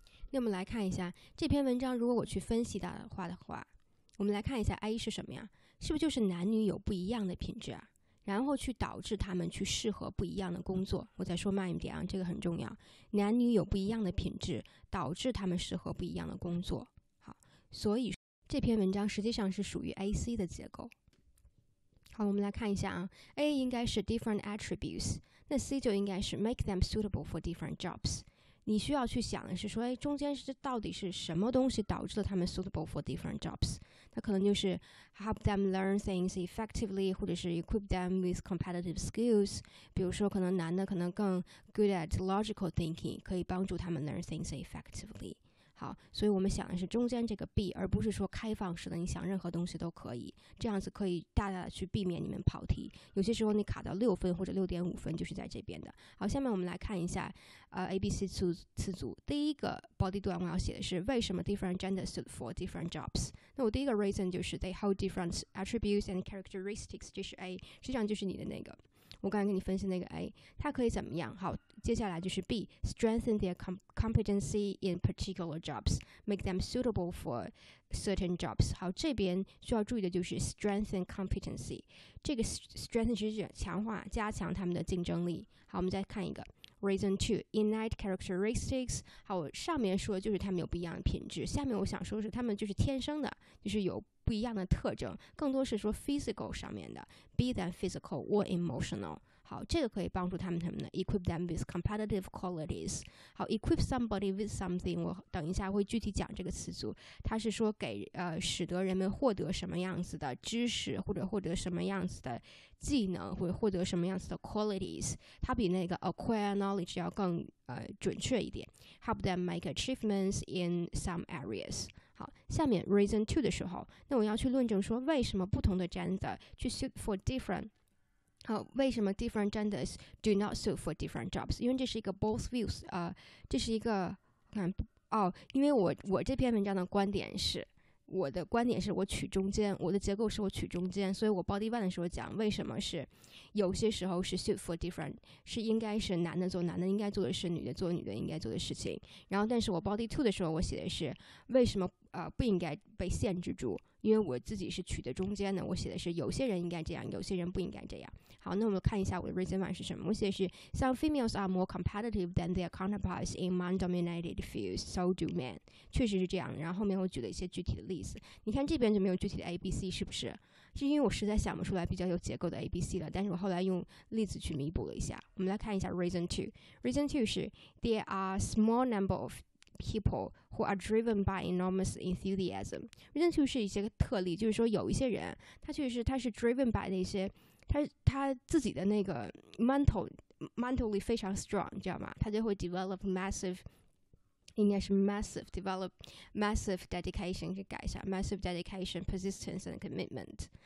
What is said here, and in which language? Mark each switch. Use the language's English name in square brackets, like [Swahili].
[Chinese] 那我们来看一下这篇文章，如果我去分析它的话的话，我们来看一下 A 是什么呀，是不是就是男女有不一样的品质啊，然后去导致他们去适合不一样的工作。我再说慢一点啊，这个很重要，男女有不一样的品质导致他们适合不一样的工作。好，所以这篇文章实际上是属于 AC 的结构。好，我们来看一下啊， A 应该是 [English] different attributes， [Chinese] 那 C 就应该是 [English] make them suitable for different jobs。 [Chinese] 你需要去想的是说，哎，中间是到底是什么东西导致了他们 [English] suitable for different jobs。 [Chinese] 那可能就是 [English] help them learn things effectively， [Chinese] 或者是 [English] equip them with competitive skills。 [Chinese] 比如说可能男的可能更 [English] good at logical thinking， [Chinese] 可以帮助他们 [English] learn things effectively。 [Chinese] 好，所以我们想的是中间这个 B， 而不是说开放式的，你想任何东西都可以，这样子可以大大的去避免你们跑题。有些时候你卡到6分或者 6.5 分就是在这边的。好，下面我们来看一下ABC 词组。第一个 body 段我要写的是为什么 [English] different genders suit for different jobs。 [Chinese] 那我第一个 reason 就是 [English] they hold different attributes and characteristics， [Chinese] 这是 A， 实际上就是你的那个我刚才跟你分析那个 A， 它可以怎么样？好，接下来就是 [English] B， strengthen their competency in particular jobs， make them suitable for certain jobs。 [Chinese] 好，这边需要注意的就是 [English] strengthen competency， [Chinese] 这个 strengthen 是强化加强他们的竞争力。好，我们再看一个 reason 2， [English] innate characteristics。 [Chinese] 好，上面说的就是他们有不一样的品质，下面我想说的是他们就是天生的，就是有不一样的特征，更多是说 physical 上面的 [English] be than physical or emotional。 [Chinese] 好，这个可以帮助他们的 [English] equip them with competitive qualities。 [Chinese] 好， [English] equip somebody with something， [Chinese] 我等一下会具体讲这个词组，它是说给使得人们获得什么样子的知识，或者获得什么样子的技能，或者获得什么样子的 qualities， 它比那个 [English] acquire knowledge [Chinese] 要更准确一点。 [English] help them make achievements in some areas。 [Chinese] 下面 reason 2的时候，那我要去论证说为什么不同的 gender 去 [English] suit for different， [Chinese] 好，为什么 [English] different genders do not suit for different jobs， [Chinese] 因为这是一个 [English] both views， [Chinese] 这是一个看哦，因为我这篇文章的观点是，我的观点是我取中间，我的结构是我取中间，所以我 body one 的时候讲为什么是有些时候是 suit for different， 是应该是男的做男的应该做的事，女的做女的应该做的事情。然后但是我 body two 的时候我写的是为什么不应该被限制住，因为我自己是取的中间的，我写的是有些人应该这样，有些人不应该这样。好，那我们看一下我的 reason one 是什么，我写的是 [English] some females are more competitive than their counterparts in man-dominated fields, so do men， [Chinese] 确实是这样。然后后面我举了一些具体的例子，你看这边就没有具体的 ABC， 是不是是因为我实在想不出来比较有结构的 ABC 了，但是我后来用例子去弥补了一下。我们来看一下 [English] reason two， reason two 是 there are small number of people who are driven by enormous enthusiasm。 [Chinese] reason 2是一些特例，就是说有一些人他确实他是 [English] driven by [Chinese] 那些 他自己的那个 mentally 非常 strong， 你知道吗，他就会 develop massive， 应该是 massive， [English] develop massive dedication， [Chinese] 去改一下 [English] massive dedication persistence and commitment。